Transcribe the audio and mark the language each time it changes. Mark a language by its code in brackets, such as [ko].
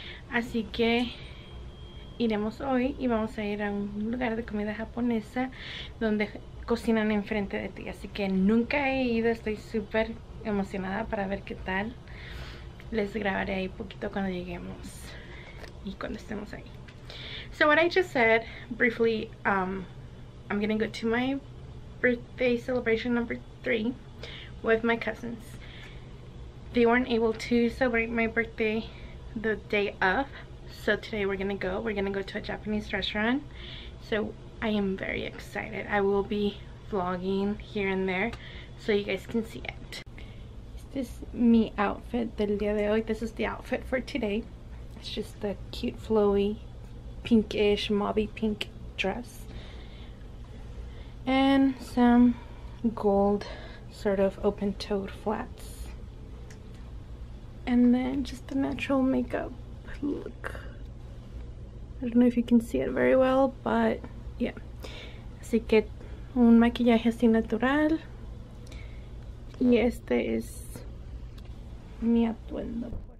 [es] Así que iremos hoy y vamos a ir a un lugar de comida japonesa donde cocinan enfrente de ti. Así que nunca he ido, estoy súper emocionada para ver qué tal. Les grabaré ahí poquito cuando lleguemos y cuando estemos ahí. [en] So what I just said briefly, I'm gonna go to my birthday celebration number 3 with my cousins. They weren't able to celebrate my birthday the day of, so today we're gonna go to a Japanese restaurant. So I am very excited. I will be vlogging here and there so you guys can see it. This is my outfit [es] del día de hoy. [en] This is the outfit for today. It's just a cute flowy pinkish mauve pink dress and some gold sort of open toed flats, and then just the natural makeup look. I don't know if you can see it very well, but yeah. [es] Así que un maquillaje así natural, y este es mi atuendo.